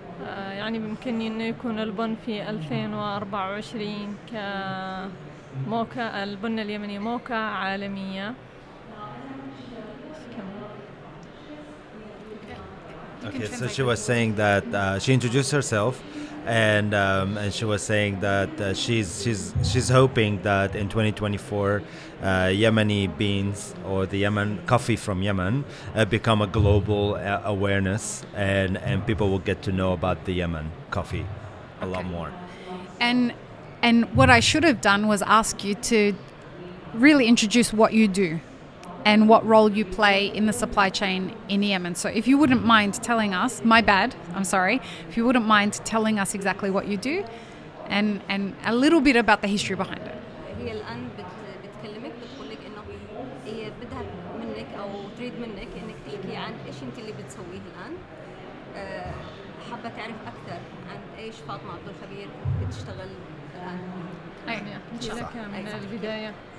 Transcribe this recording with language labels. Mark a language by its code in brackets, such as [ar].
[ar] يعني ممكن إنه يكون البن في 2024 كموكا البن اليمني موكا عالمية. [en] Okay, so she was saying that she introduced herself, and she was saying that she's hoping that in 2024, Yemeni beans or the Yemen coffee from Yemen become a global awareness, and people will get to know about the Yemen coffee a lot more. And what I should have done was ask you to really introduce what you do and what role you play in the supply chain in Yemen. So if you wouldn't mind telling us, my bad, I'm sorry, if you wouldn't mind telling us exactly what you do and a little bit about the history behind it. [ar] هي الآن بتكلمك بتقول لك إنه هي بدها منك أو تريد منك إنك تحكي عن إيش أنت اللي بتسويه الآن. حابة تعرف أكثر عن إيش فاطمة عبد الخبير بتشتغل الآن. أيه. لك من البداية.